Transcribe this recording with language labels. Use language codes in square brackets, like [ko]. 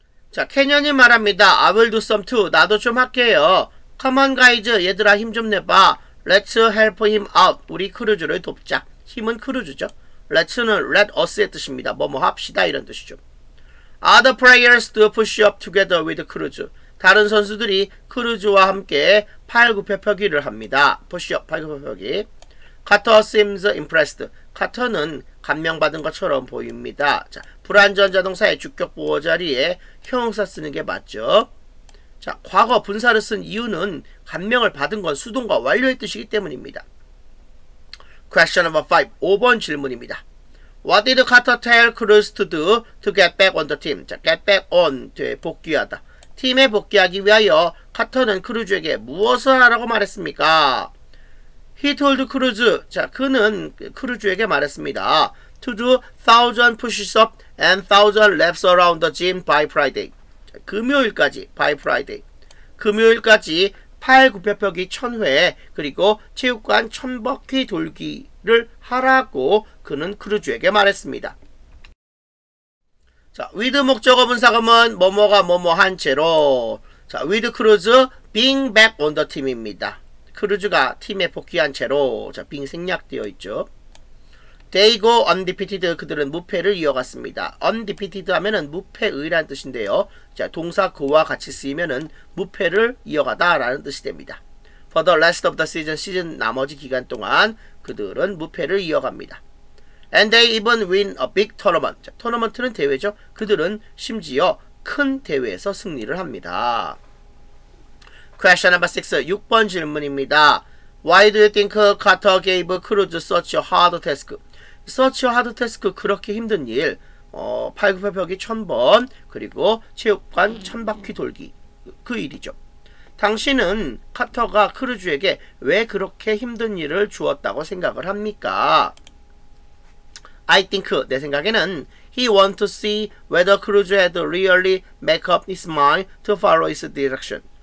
[ko] 자, 캐년이 말합니다. [en] I will do some too. [ko] 나도 좀 할게요. [en] Come on, guys. [ko] 얘들아, 힘 좀 내봐. [en] Let's help him out. [ko] 우리 크루즈를 돕자. 힘은 크루즈죠. Let's는 let us의 뜻입니다. 뭐뭐 합시다, 이런 뜻이죠. [en] Other players do push-up together with Cruz. [ko] 다른 선수들이 크루즈와 함께 팔굽혀펴기를 합니다. [en] Push-up, 팔굽혀펴기. Carter seems impressed. [ko] Carter는 감명받은 것처럼 보입니다. 자, 불완전자동사의 주격보호 자리에 형용사 쓰는 게 맞죠. 자, 과거 분사를 쓴 이유는 감명을 받은 건 수동과 완료의 뜻이기 때문입니다. [en] Question number 5, [ko] 5번 질문입니다. [en] What did Carter tell Cruz to do to get back on the team? [ko] 자, get back on, 복귀하다. 팀에 복귀하기 위하여 카터는 크루즈에게 무엇을 하라고 말했습니까? [en] He told Cruz, [ko] 자, 그는 크루즈에게 말했습니다. [en] To do 1000 push-up and 1000 laps around the gym by Friday. [ko] 자, 금요일까지, [en] by Friday. [ko] 금요일까지 팔굽혀펴기 1000회, 그리고 체육관 1000바퀴 돌기, 를 하라고 그는 크루즈에게 말했습니다. 자, with 목적어 분사금은 뭐뭐가 뭐뭐 한 채로. [en] 자, with 크루즈 being back on the team입니다. [ko] 크루즈가 팀에 복귀한 채로. 자, being 생략되어 있죠. [en] They go undefeated. [ko] 그들은 무패를 이어갔습니다. undefeated 하면은 무패의란 뜻인데요. 자, 동사 go와 같이 쓰이면은 무패를 이어가다라는 뜻이 됩니다. [en] For the last of the season, [ko] 시즌 나머지 기간 동안 그들은 무패를 이어갑니다. [en] And they even win a big tournament. [ko] 자, 토너먼트는 대회죠. 그들은 심지어 큰 대회에서 승리를 합니다. [en] Question number 6, [ko] 6번 질문입니다. [en] Why do you think Carter gave Cruz such a hard task? Such a hard task, [ko] 그렇게 힘든 일. 팔굽혀펴기 1000번, 그리고 체육관 1000바퀴 돌기, 그 일이죠. 당신은 카터가 크루즈에게 왜 그렇게 힘든 일을 주었다고 생각을 합니까? [en] I think, [ko] 내 생각에는 [en] He want to see whether Cruz had really make up his mind to follow his direction.